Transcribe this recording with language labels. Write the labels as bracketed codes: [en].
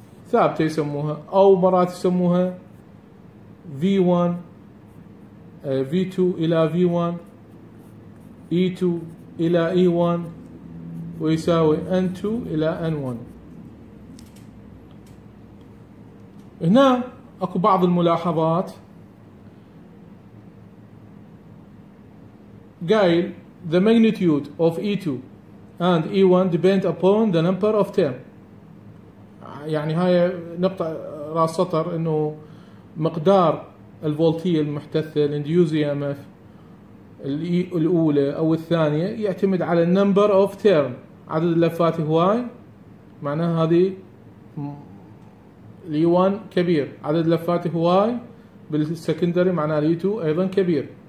[ar] ثابتة يسموها، أو مرات يسموها V1 V2 إلى V1 E2 إلى E1 ويساوي N2 إلى N1. هنا أكو بعض الملاحظات قايل [en] The magnitude of E2 and E1 depend upon the number of term. [ar] يعني هاي نقطة رأس سطر، إنه مقدار الفولتية المحتثة الانديوزي ام اف الأولى أو الثانية يعتمد على [en] number of term، [ar] عدد اللفات هواي، معناها هذه الـ E1 كبير، عدد اللفات هواي بالسكندري معناها الـ E2 أيضا كبير.